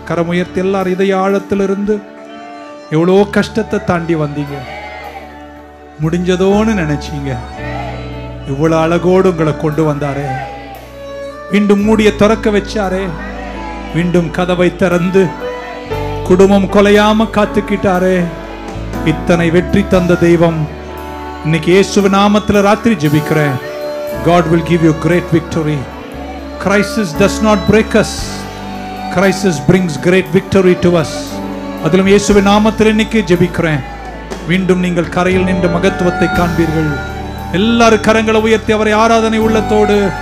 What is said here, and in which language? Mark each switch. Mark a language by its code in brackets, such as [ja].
[ta] கரம் உயர்த்தி எல்லார் இதய ஆழத்திலிருந்து எவ்வளோ கஷ்டத்தை தாண்டி வந்தீங்க, முடிஞ்சதோன்னு நினைச்சீங்க, இவ்வளோ அழகோடு உங்களை கொண்டு வந்தாரே, மீண்டும் மூடிய திறக்க வச்சாரே, மீண்டும் கதவை திறந்து குடும்பம் கொலையாம காத்துக்கிட்டாரே, இத்தனை வெற்றி தந்த தெய்வம் இன்னைக்கு இயேசுவின் நாமத்தில் ராத்திரி ஜெபிக்கிறேன். [en] God will give you great victory. Crisis does not break us. Crisis brings great victory to us. [ta] அதிலும் இயேசுவின் நாமத்தில் இன்னைக்கு ஜெபிக்கிறேன், மீண்டும் நீங்கள் கரையில் நின்று மகத்துவத்தை காண்பீர்கள். எல்லாரும் கரங்களை உயர்த்தி அவரை ஆராதனை உள்ளத்தோடு.